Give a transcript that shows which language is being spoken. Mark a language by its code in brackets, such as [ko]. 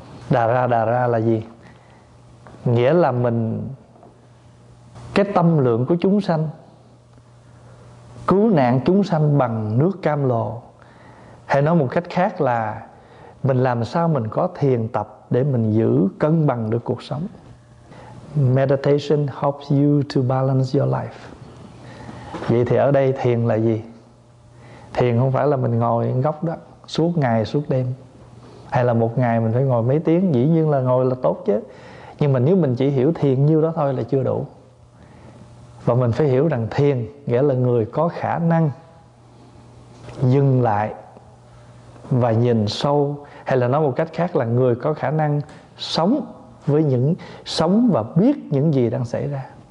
[vi] Đà ra là gì? Nghĩa là mình, cái tâm lượng của chúng sanh, cứu nạn chúng sanh bằng nước cam lồ. Hay nói một cách khác là mình làm sao mình có thiền tập để mình giữ cân bằng được cuộc sống. [en] Meditation helps you to balance your life. [vi] Vậy thì ở đây thiền là gì? Thiền không phải là mình ngồi góc đó suốt ngày suốt đêm, hay là một ngày mình phải ngồi mấy tiếng. Dĩ nhiên là ngồi là tốt chứ, nhưng mà nếu mình chỉ hiểu thiền nhiêu đó thôi là chưa đủ. Và mình phải hiểu rằng thiền nghĩa là người có khả năng dừng lại và nhìn sâu, hay là nói một cách khác là người có khả năng sống với những sống và biết những gì đang xảy ra.